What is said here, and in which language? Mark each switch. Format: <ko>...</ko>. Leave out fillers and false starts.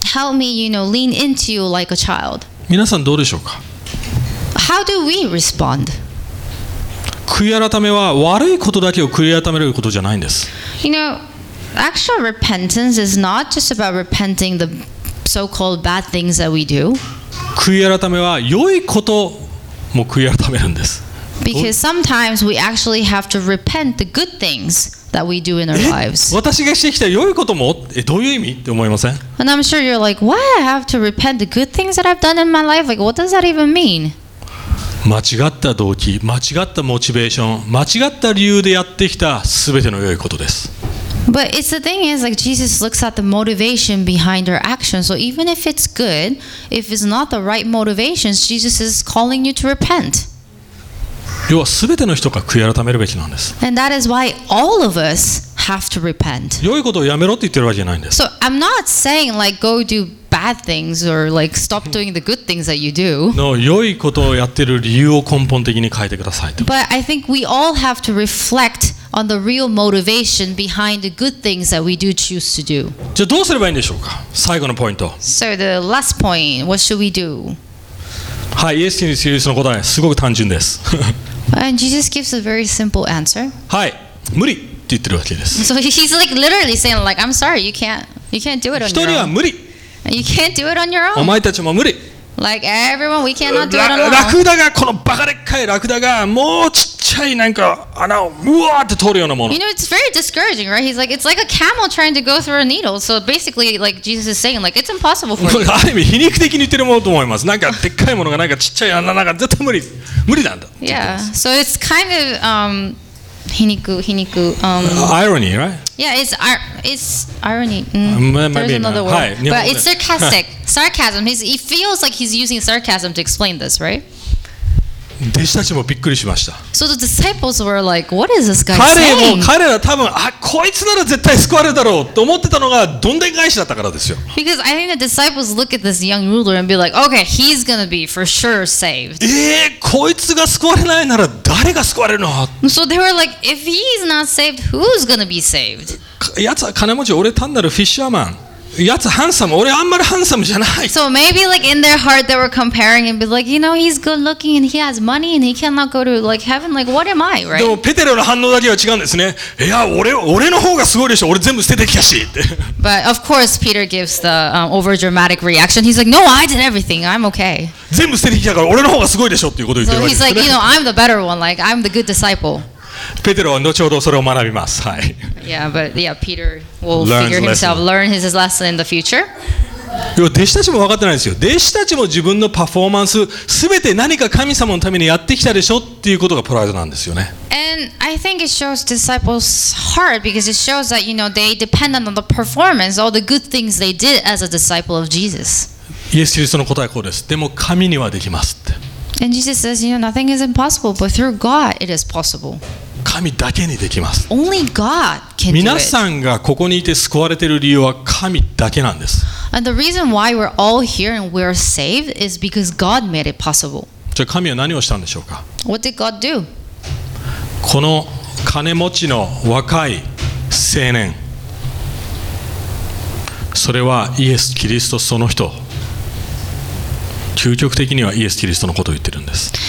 <en>Help me, you know, lean into you like a child.</en> <ja>皆さんどうでしょうか？</ja> <en>How do we respond?</en> <ja>悔い改めは悪いことだけを悔い改めることじゃないんです。</ja> <en>You know, actual repentance is not just about repenting the so-called bad things that we do.</en> <ja>悔い改めは良いことも悔い改めるんです。</ja> <en>Because sometimes we actually have to repent the good things that we do in our lives.</en> <ja>私がしてきた良いこともどういう意味って思いません？</ja> <en>And I'm sure you're like, why I have to repent the good things that I've done in my life? Like, what does that even mean?</en> <ja>間違った動機、間違ったモチベーション、間違った理由でやってきた全ての良いことです。</ja> <en>But it's the thing is, like Jesus looks at the motivation behind our actions. So even if it's good, if it's not the right motivation, Jesus is calling you to repent.</en> <ja>要は全ての人が悔い改めるべきなんです。</ja> <en>And that is why all of us have to repent.</en> <ja>良いことをやめろって言ってるわけじゃないんです。</ja> <en>So I'm not saying like go do bad things or like stop doing the good things that you do. No,</en> <ja>良いことをやってる理由を根本的に変えてくださいと。</ja> <en>But I think we all have to reflect on the real motivation behind the good things that we do choose to do.</en> <ja>じゃあどうすればいいんでしょうか？最後のポイント。</ja> <en>So the last point, what should we do?</en> <ja>はい、イエス・キリストの答え、すごく単純です。</ja> <en>And Jesus gives a very simple answer.</en> <ja>はい、無理って言ってるわけです。</ja> <en>So he's like literally saying like, I'm sorry, you can't do it on your own.</en> <ja>一人は無理。</ja> <en>You can't do it on your own.</en> <ja>お前たちも無理。</ja> <en>Like everyone, we cannot do it on our own.</en> <ja>ラクダが、このバカでっかいラクダが、もうちっちゃい。ちゃいなんか穴をムワーって通るようなもの。</ja> <en>You know, it's very discouraging, right? He's like, it's like a camel trying to go through a needle. So basically, like Jesus is saying, like, it's impossible for you.</en> <ja>ある意味皮肉的に言ってるものと思います。なんかでっかいものがなんかちっちゃい穴なんか絶対無理、無理なんだ。</ja> <en>Yeah, so it's kind of irony, right? Yeah, it's irony. There's another word. But it's sarcastic. Sarcasm. He feels like he's using sarcasm to explain this, right?</en> <ja>弟子たちもびっくりしました。</ja> <en>So the disciples were like, "What is this guy saying?"</en> <ja>彼ら多分あこいつなら絶対救われるだろうと思ってたのがどんでん返しだったからですよ。</ja> <en>Because I think the disciples look at this young ruler and be like, "Okay, he's gonna be for sure saved."</en> <ja>こいつが救われないなら誰が救われるの</ja> <en>？So they were like, "If he's not saved, who's gonna be saved?"</en> <ja>やつは金持ち、俺単なるフィッシャーマン。やつハンサム、俺あんまりハンサムじゃない。</ja> <en>So maybe like in their heart they were comparing and be like, you know, he's good looking and he has money and he cannot go to like heaven. Like what am I, right?</en> <ja>でもペテロの反応だけは違うんですね。いや、俺の方がすごいでしょ。俺全部捨ててきたしって。</ja> <en>But of course Peter gives the overdramatic reaction. He's like, no, I did everything. I'm okay.</en> <ja>全部捨ててきたから俺の方がすごいでしょっていうことを言ってるわけですね。</ja> <en>So he's like, you know, I'm the better one. Like I'm the good disciple.</en> <ja>ペテロは後ほどそれを学びます。はい。</ja> <en>Yeah, but yeah, Peter will figure himself, learn his lesson in the future.</en> <ja>弟子たちも分かってないですよ。弟子たちも自分のパフォーマンス、すべて何か神様のためにやってきたでしょっていうことがプライドなんですよね。</ja> <en>And I think it shows disciples' heart because it shows that, you know, they dependent on the performance, all the good things they did as a disciple of Jesus.</en> <ja>イエス・キリストの答えはこうです。でも神にはできますって。</ja> <en>And Jesus says, you know, nothing is impossible, but through God it is possible.</en> <ja>神だけにできます。</ja> <en>Only God can do it.</en> <ja>皆さんがここにいて救われている理由は神だけなんです。</ja> <en>And the reason why we're all here and we're saved is because God made it possible.</en> <ja>じゃあ神は何をしたんでしょうか?</ja> <en>What did God do?</en> <ja>この金持ちの若い青年、それはイエス・キリストその人。究極的にはイエス・キリストのことを言ってるんです。</ja>